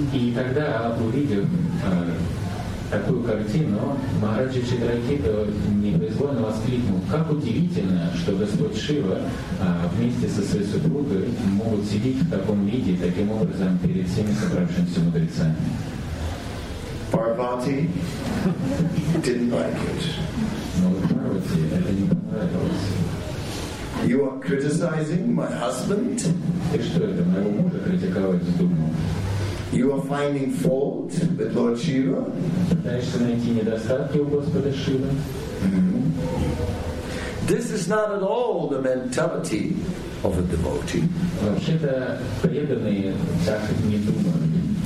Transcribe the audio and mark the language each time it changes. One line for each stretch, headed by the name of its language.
Russian: И тогда, увидев такую картину, Махараджа Читракету непроизвольно воскликнул: как удивительно, что Господь Шива вместе со своей супругой могут сидеть в таком виде, таким образом, перед всеми собравшимися мудрецами.
English: Парвати didn't like it.
Russian: Но Парвати это не понравилось.
English: You are criticizing my husband?
Russian: Ты что, это моего мужа критиковать вздумал?
English: You are finding fault with Lord Shiva?
Russian: Пытаешься найти недостатки у Господа Шивы?
English: This is not at all the mentality of a devotee.
Russian: Вообще-то преданные так не думали.